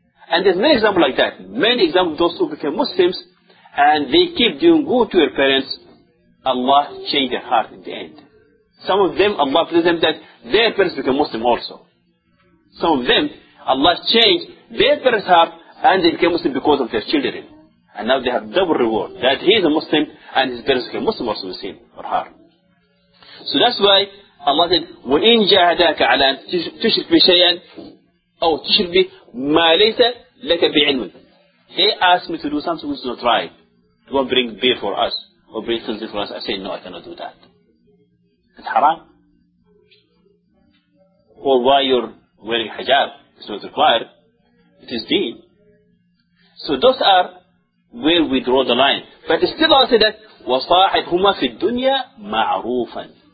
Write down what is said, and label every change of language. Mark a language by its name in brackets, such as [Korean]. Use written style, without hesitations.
[English] And there's many examples like that. Many examples of those who became Muslims and they keep doing good to their parents, Allah changed their heart in the end. Some of them, Allah tells them that their parents became Muslim also. Some of them, Allah changed their parents' heart and they became Muslim because of their children. And now they have double reward, that he is a Muslim and his parents became Muslim also with him or her. So that's why Allah said, [Arabic] وَإِن جَاهَدَاكَ عَلَىٰ تُشْرِكْ بِشَيْئًا أَوْ تُشْرِكْ بِمَا لَيْسَ لَكَ بِعِلْمٍ. [English] They asked me to do something which is not right. Do not bring beer for us or bring something for us. I said, no, I cannot do that. It's haram. Or why you're wearing hijab, it's not required. It is deen. So those are where we draw the line. But still Allah said that, [Arabic] وَصَاحِبْهُمَا فِي الدُّنْيَا مَعْرُوفًا.